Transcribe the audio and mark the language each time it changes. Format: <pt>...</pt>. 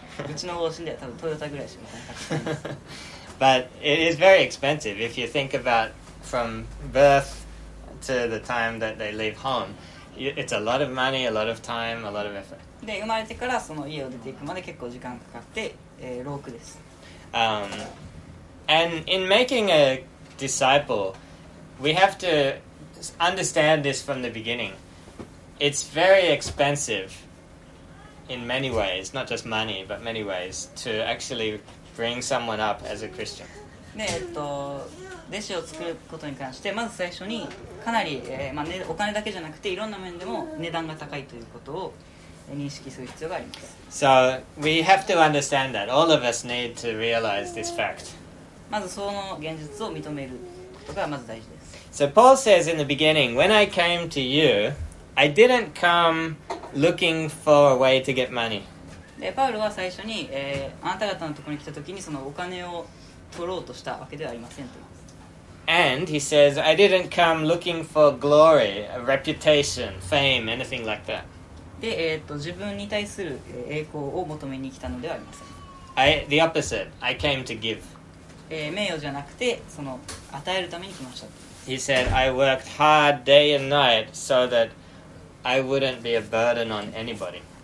<ja>うちの方針では多分トヨタぐらいしかお金かかります。</ja> <en>But it is very expensive if you think about from birth to the time that they leave home. It's a lot of money, a lot of time, a lot of effort.</en> <ja>で、生まれてからその家を出ていくまで結構時間かかって、労苦です。</ja> <en>And in making a disciple, we have to understand this from the beginning. It's very expensive in many ways, not just money, but many ways, to actually bring someone up as a Christian.</en> <ja>で、弟子を作ることに関して、まず最初にかなり、お金だけじゃなくていろんな面でも値段が高いということを認識する必要があります。</ja> <en>So we have to understand that. All of us need to realize this fact.</en> <ja>まずその現実を認めることがまず大事です。</ja> <en>So Paul says in the beginning, when I came to you, I didn't come looking for a way to get money.</en> <ja>で、パウロは最初に、あなた方のところに来たときにそのお金を取ろうとしたわけではありませんと。</ja> <en>And he says, I didn't come looking for glory, a reputation, fame, anything like that.</en> <ja>で、自分に対する栄光を求めに来たのではありません。</ja> <en>The opposite. I came to give.</en> <ja>名誉じゃなくて、その与えるために来ました。</ja> <en>He said, I worked hard day and night so that I wouldn't be a burden on anybody.</en>